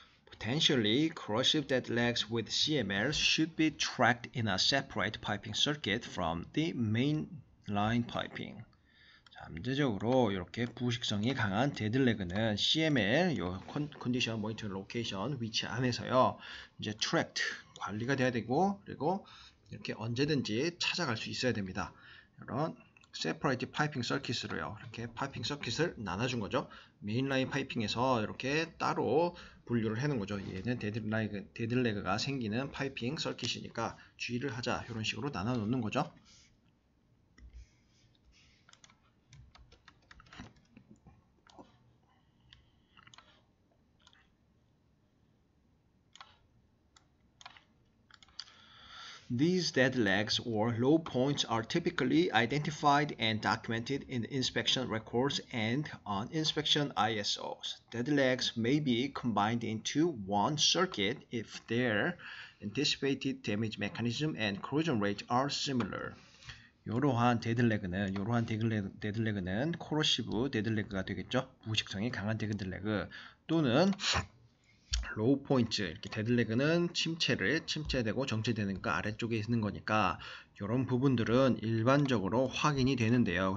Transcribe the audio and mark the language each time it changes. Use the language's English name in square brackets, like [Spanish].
[English] potentially corrosive dead legs with CML should be tracked in a separate piping circuit from the main line piping. [Korean] 잠재적으로 이렇게 부식성이 강한 데드레그는 CML 요 컨디션 모니터링 로케이션 위치 안에서요. 이제 트랙트 관리가 돼야 되고 그리고 이렇게 언제든지 찾아갈 수 있어야 됩니다. 이런 separate piping circuit으로요. 이렇게 piping circuit을 나눠준 거죠. 메인라인 파이핑에서 이렇게 따로 분류를 해놓은 거죠. 얘는 데드레그가 생기는 파이핑 서킷이니까 주의를 하자. 이런 식으로 나눠놓는 거죠. [English] These dead legs or low points are typically identified and documented in inspection records and on inspection ISOs. Dead legs may be combined into one circuit if their anticipated damage mechanism and corrosion rate are similar. [Korean] 이러한 데드레그는 코로시브 데드레그가 되겠죠. 부식성이 강한 데드레그 또는 로우 포인트 이렇게 데드레그는 침체되고 정체되는 거 아래쪽에 있는 거니까 이런 부분들은 일반적으로 확인이 되는데요.